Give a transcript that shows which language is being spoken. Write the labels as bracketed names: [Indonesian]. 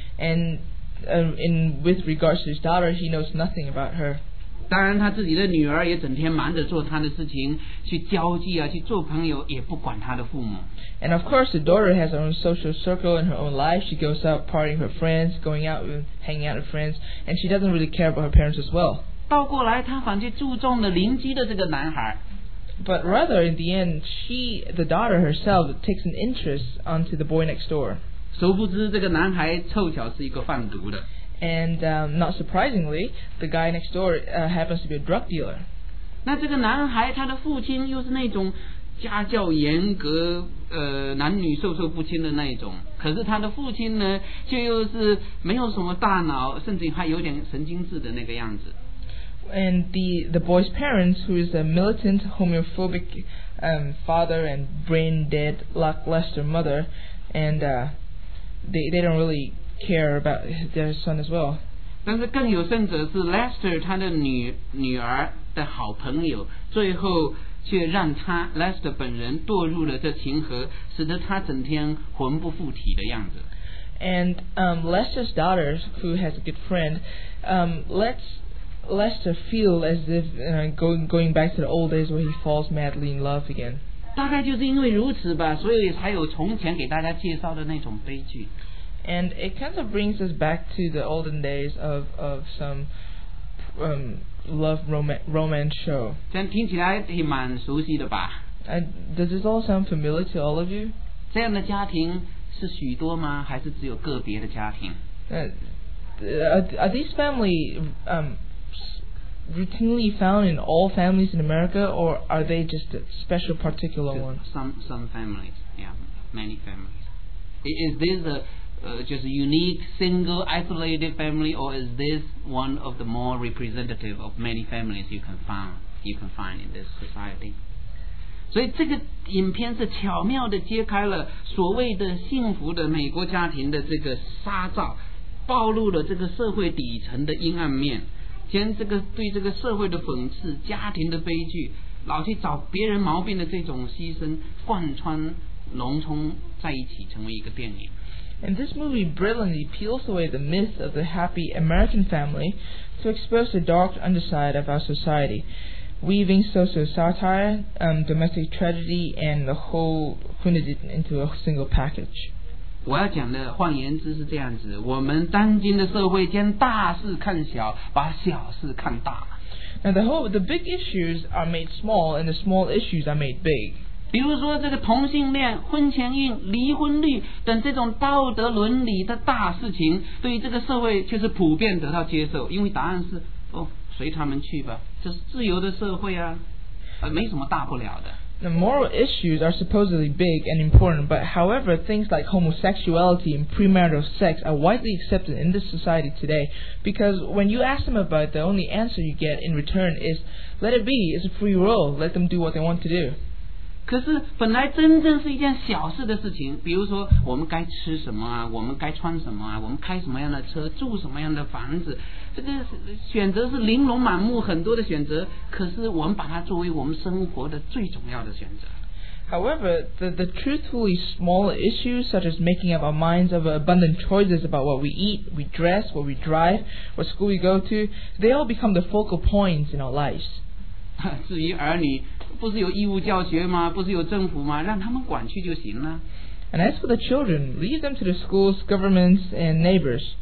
[English] And with regards to his daughter, he knows nothing about her. [Chinese] 当然他自己的女儿也整天忙着做他的事情，去交际啊，去做朋友，也不管他的父母。 [English] And of course the daughter has her own social circle in her own life. She goes out partying her friends, going out with hanging out with friends, and she doesn't really care about her parents as well. [Chinese] 倒过来他反而注重了邻居的这个男孩。 [English] But rather in the end, she, the daughter herself, takes an interest onto the boy next door. [Chinese] 殊不知这个男孩凑巧是一个贩毒的。 [English] And not surprisingly, the guy next door happens to be a drug dealer. [Chinese] 那这个男孩他的父亲又是那种家教严格，男女授受不亲的那种。可是他的父亲呢，却又是没有什么大脑，甚至还有点神经质的那个样子。 [English] And the boy's parents, who is a militant homophobic father and brain dead lackluster mother, and they don't really. care about their son as well. [Chinese] 但是更有甚者是 Lester 他的女儿的好朋友，最后却让他 Lester 本人堕入了这情河，使得他整天魂不附体的样子。 [English] And Lester's daughter, who has a good friend, lets Lester feel as if going back to the old days where he falls madly in love again. [Chinese] 大概就是因为如此吧，所以才有从前给大家介绍的那种悲剧。 [English] And it kind of brings us back to the olden days of some love romance show. [Chinese] 这样听起来也蛮熟悉的吧。 [English] And does this all sound familiar to all of you? [Chinese] 这样的家庭是许多吗？还是只有个别的家庭？ [English] Are these family routinely found in all families in America, or are they just a special particular one? Some families, yeah, many families. Is this a just a unique, single, isolated family, or is this one of the more representative of many families you can find in this society? [Chinese] 所以这个影片是巧妙地揭开了所谓的幸福的美国家庭的这个纱罩，暴露了这个社会底层的阴暗面。将这个对这个社会的讽刺、家庭的悲剧、老去找别人毛病的这种牺牲贯穿笼统在一起，成为一个电影。 [English] And this movie brilliantly peels away the myth of the happy American family to expose the dark underside of our society, weaving social satire, domestic tragedy, and the whole humanity into a single package. [Chinese] 我要讲的换言之是这样子，我们当今的社会将大事看小，把小事看大。 [English] Now the big issues are made small and the small issues are made big. [Chinese] 比如说这个同性恋、婚前孕、离婚率等这种道德伦理的大事情，对于这个社会却是普遍得到接受，因为答案是哦，随他们去吧，这是自由的社会啊，没什么大不了的。 [English] The moral issues are supposedly big and important, but however, things like homosexuality and premarital sex are widely accepted in this society today, because when you ask them about it, the only answer you get in return is, let it be, it's a free will, let them do what they want to do. [Chinese] 可是本来真正是一件小事的事情，比如说我们该吃什么啊，我们该穿什么啊，我们开什么样的车，住什么样的房子，这个选择是玲珑满目，很多的选择，可是我们把它作为我们生活的最重要的选择。 [English] However, the truthfully smaller issues, such as making up our minds of abundant choices about what we eat, we dress, what we drive, what school we go to, they all become the focal points in our lives. [Chinese] 至于儿女不是有义务教学吗？不是有政府吗？让他们管去就行了。 [English] And as for the children, leave them to the schools, governments, and neighbors.